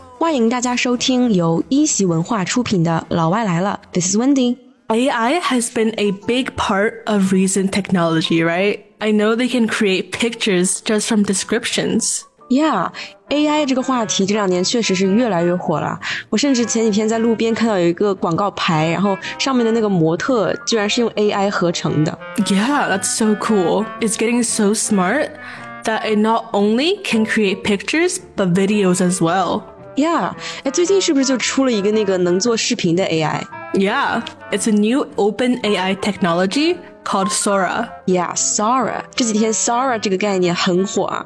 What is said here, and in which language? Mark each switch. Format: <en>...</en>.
<zh>欢迎大家收听由一席文化出品的《老外来了》。</zh> <en>This is Wendy. AI has been a big part of recent technology, right? I know they can create pictures just from descriptions.</en> <zh>Yeah, AI 这个话题这两年确实是越来越火了。我甚至前几天在路边看到有一个广告牌，然后上面的那个模特居然是用 AI 合成的。</zh> <en>Yeah, that's so cool. It's getting so smart that it not only can create pictures, but videos as well.</en> <zh>Yeah, 最近是不是就出了一个那个能做视频的 AI?</zh> <en>Yeah, it's a new open AI technology. Called Sora.</en> <zh>Yeah, Sora. 这几天 Sora 这个概念很火啊。</zh>